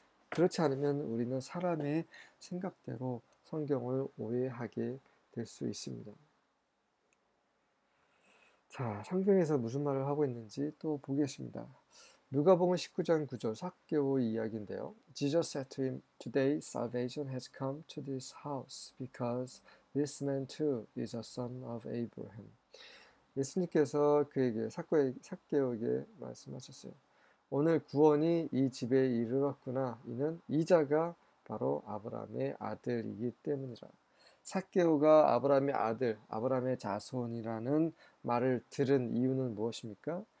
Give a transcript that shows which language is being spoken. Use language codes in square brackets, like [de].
[ko] 그렇지 않으면 우리는 사람의 생각대로 성경을 오해하게 될수 있습니다. 자, 성경에서 무슨 말을 하고 있는지 또 보겠습니다. 누가복음 19장 9절 삭개오 이야기인데요. [en] Jesus said to him, Today salvation has come to this house because this man too is a son of Abraham. [ko] 예수님께서 그에게 삭개오에게 말씀하셨어요. 오늘 구원이 이 집에 이르렀구나. 이는 이자가 바로 아브라함의 아들이기 때문이라. 삭개오가 아브라함의 아들, 아브라함의 자손이라는 말을 들은 이유는 무엇입니까?